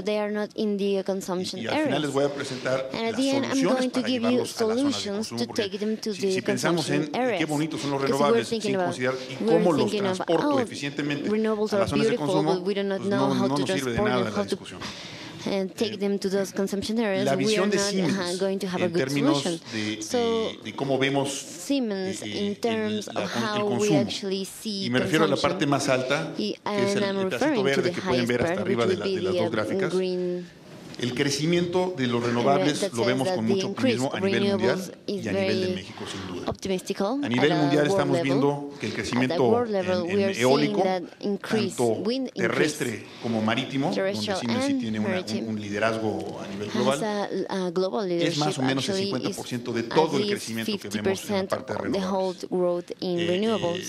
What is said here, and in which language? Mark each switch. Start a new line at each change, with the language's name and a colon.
English: They are not in the consumption
Spanish: y al final les voy a presentar las soluciones para llevarlos a la zona de consumo, porque si pensamos en qué bonitos son los renovables, sin considerar cómo los transporto eficientemente a las zonas de consumo, pues no nos sirve de nada la discusión.
English: And take them to those consumption areas, we are not going to have a good solution. So Siemens, in terms of how we actually see consumption, and I'm referring to the highest part, which would be the green.
Spanish: El crecimiento de los renovables lo vemos con mucho optimismo a nivel mundial y a nivel de México, sin duda. A nivel mundial estamos viendo que el crecimiento en eólico, tanto terrestre como marítimo, donde Siemens sí tiene un liderazgo a nivel global, es más o menos el 50% de todo el crecimiento que vemos en la parte de renovables.